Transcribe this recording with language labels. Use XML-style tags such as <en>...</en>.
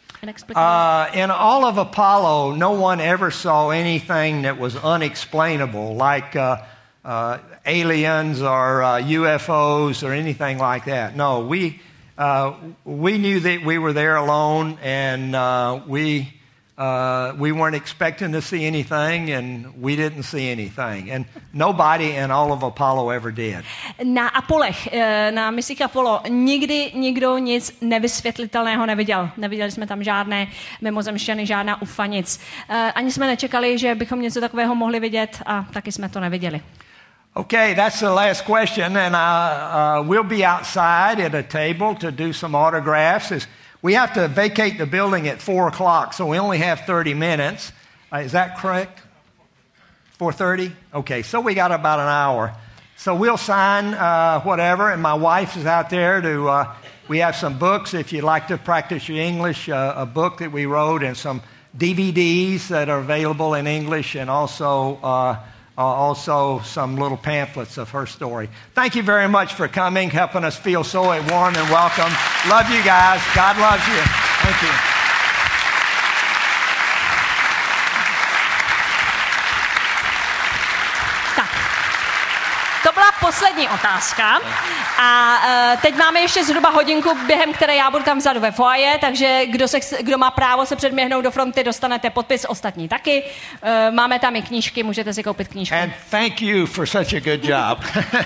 <en>In all of Apollo, no one ever saw anything that was unexplainable, like aliens or UFOs or anything like that. No, we knew that we were there alone, and we weren't expecting to see anything, and we didn't see anything. And nobody in all of Apollo ever did.</en> <cs>Na Apolech, na misích Apollo, nikdy nikdo nic nevysvětlitelného neviděl. Neviděli jsme tam žádné mimozemšťany, žádná UFO nic. Ani jsme nečekali, že bychom něco takového mohli vidět, a taky jsme to neviděli.</cs> <en>Okay, that's the last question, and we'll be outside at a table to do some autographs. We have to vacate the building at 4 o'clock, so we only have 30 minutes. Is that correct? 4:30? Okay, so we got about an hour. So we'll sign whatever, and my wife is out there. We have some books, if you'd like to practice your English, a book that we wrote, and some DVDs that are available in English, and also also some little pamphlets of her story. Thank you very much for coming, helping us feel so warm and welcome. Love you guys. God loves you. Thank you.</en> <cs>Poslední otázka. A teď máme ještě zhruba hodinku, během které já budu tam vzadu ve foaje, takže kdo má právo se předměhnout do fronty, dostanete podpis, ostatní taky. Máme tam i knížky, můžete si koupit knížku.</cs> <en>And thank you for such a good job.</en>